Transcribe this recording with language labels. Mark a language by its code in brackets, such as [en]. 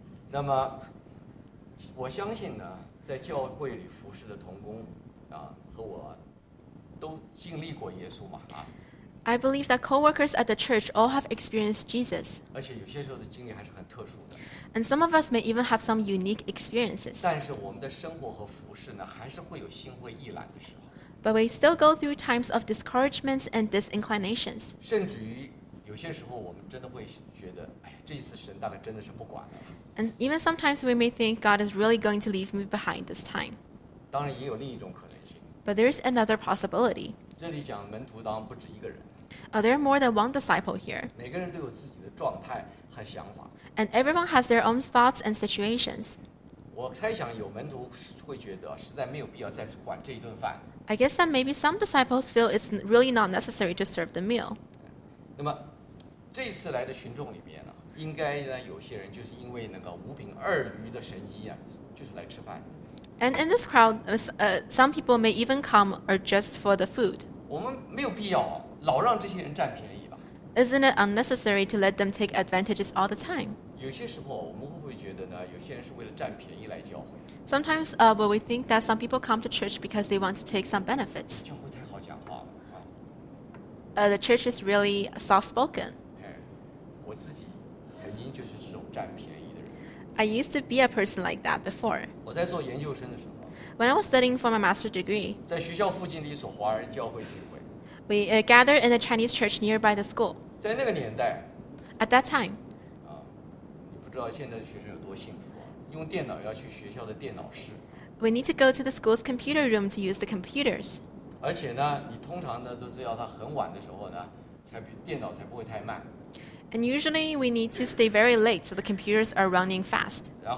[zh] 那么我相信呢，在教会里服侍的同工啊，和我都经历过耶稣嘛啊。 [en] I believe that co-workers at the church all have experienced Jesus. [zh] 而且有些时候的经历还是很特殊的。 [en] And some of us may even have some unique experiences. [zh] 但是我们的生活和服侍呢，还是会有心灰意懒的时候。 [en] But we still go through times of discouragements and disinclinations. [zh] 甚至于有些时候，我们真的会觉得，哎，这次神大概真的是不管了。 [en] And even sometimes we may think God is really going to leave me behind this time. [zh] 当然也有另一种可能性。 [en] But there is another possibility. [zh] 这里讲门徒当不止一个人。 [en] There are more than one disciple here. [zh] 每个人都有自己的状态和想法。 [en] And everyone has their own thoughts and situations. [zh] 我猜想有门徒会觉得实在没有必要再次管这一顿饭。 [en] I guess that maybe some disciples feel it's really not necessary to serve the meal. [zh] 那么这次来的群众里面呢，应该呢，有些人就是因为那个五饼二鱼的神迹啊，就是来吃饭。 [en] And in this crowd, some people may even come or just for the food. [zh] 我们没有必要老让这些人占便宜吧。 [en] Isn't it unnecessary to let them take advantages all the time? [zh] 有些时候我们会不会觉得呢，有些人是为了占便宜来教会 [en] ？Sometimes, will we think that some people come to church because they want to take some benefits? [zh] 教会太好讲话了。 [en] The church is really soft-spoken. [zh] 我自己。曾经就是这种占便宜的人。 [en] I used to be a person like that before. [zh] 我在做研究生的时候。 [en] When I was studying for my master's degree. [zh] 在学校附近的一所华人教会聚会。 [en] We gathered in a Chinese church nearby the school. [zh] 在那个年代。 [en] At that time. [zh] 你不知道现在的学生有多幸福啊！用电脑要去学校的电脑室。 [en] We need to go to the school's computer room to use the computers. [zh] 而且呢，你通常呢都是要他很晚的时候呢，才电脑才不会太慢。 [en] And usually we need to stay very late so the computers are running fast.